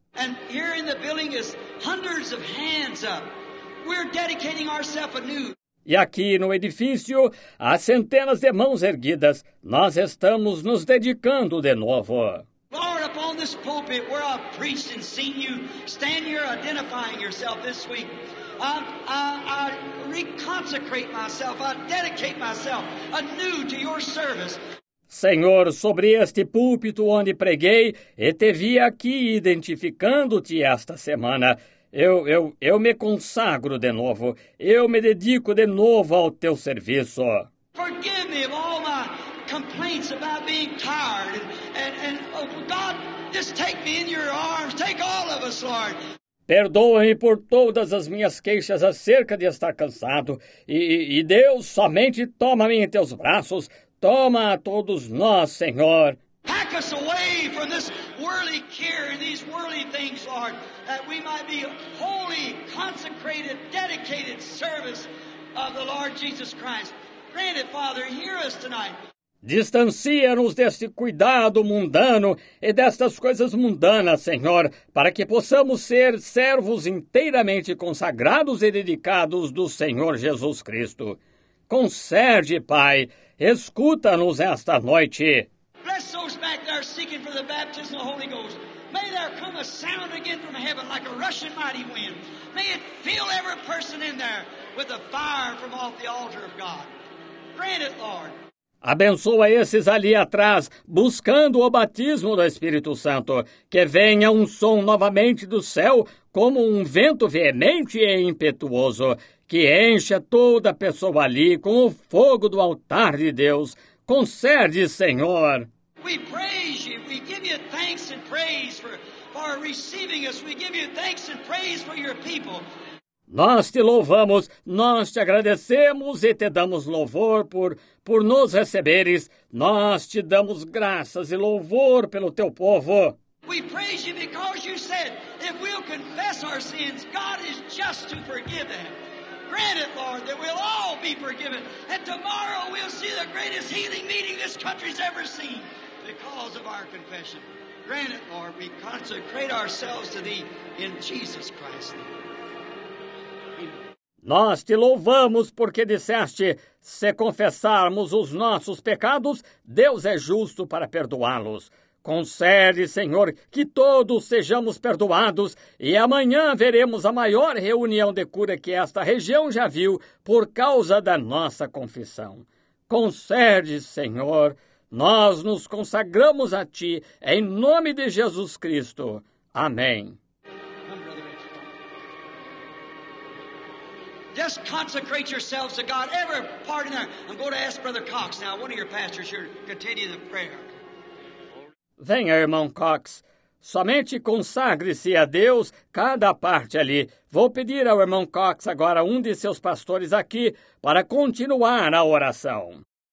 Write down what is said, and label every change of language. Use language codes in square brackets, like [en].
[en] And here in the building is hundreds of hands up. We're dedicating ourselves anew. [pt] E aqui no edifício há centenas de mãos erguidas. Nós estamos nos dedicando de novo. [en] Lord, upon this pulpit where I've preached and seen you stand here identifying yourself this week. I reconsecrate myself, I dedicate myself anew to your service. [pt] Senhor, sobre este púlpito onde preguei e te vi aqui identificando-te esta semana, eu me consagro de novo, eu me dedico de novo ao teu serviço. [en] Forgive me of all my complaints about being tired and oh God, just take me in your arms, take all of us, Lord. [pt] Perdoa-me por todas as minhas queixas acerca de estar cansado. E Deus, somente toma-me em teus braços. Toma a todos nós, Senhor. [en] Pack us away from this worldly care and these worldly things, Lord, that we might be holy, consecrated, dedicated service of the Lord Jesus Christ. Grant it, Father, hear us tonight. [pt] Distancia-nos deste cuidado mundano e destas coisas mundanas, Senhor, para que possamos ser servos inteiramente consagrados e dedicados do Senhor Jesus Cristo. Concede, Pai, escuta-nos esta noite. [en] Bless those back there seeking for the baptism of the Holy Ghost. May there come a sound again from heaven like a rushing mighty wind. May it fill every person in there with the fire from off the altar of God. Grant it, Lord. [pt] Abençoa esses ali atrás, buscando o batismo do Espírito Santo. Que venha um som novamente do céu, como um vento veemente e impetuoso. Que encha toda pessoa ali com o fogo do altar de Deus. Concede, Senhor. [en] We praise you. We give you thanks and praise for receiving us. We give you thanks and praise for your people. [pt] Nós te louvamos, nós te agradecemos e te damos louvor por nos receberes. Nós te damos graças e louvor pelo teu povo. [en] We praise you because you said, if we'll confess our sins, God is just to forgive them. Grant it, Lord, that we'll all be forgiven. And tomorrow we'll see the greatest healing meeting this country's ever seen because of our confession. Grant it, Lord, we consecrate ourselves to thee in Jesus Christ's name. [pt] Nós te louvamos porque disseste, se confessarmos os nossos pecados, Deus é justo para perdoá-los. Concede, Senhor, que todos sejamos perdoados e amanhã veremos a maior reunião de cura que esta região já viu por causa da nossa confissão. Concede, Senhor, nós nos consagramos a ti em nome de Jesus Cristo. Amém. [en] Just consecrate yourselves to God. Every part in there. I'm going to ask Brother Cox now, one of your pastors, here, to continue the prayer. [pt] Venha, irmão Cox. Somente consagre-se a Deus cada parte ali. Vou pedir ao irmão Cox agora, um de seus pastores aqui, para continuar a oração.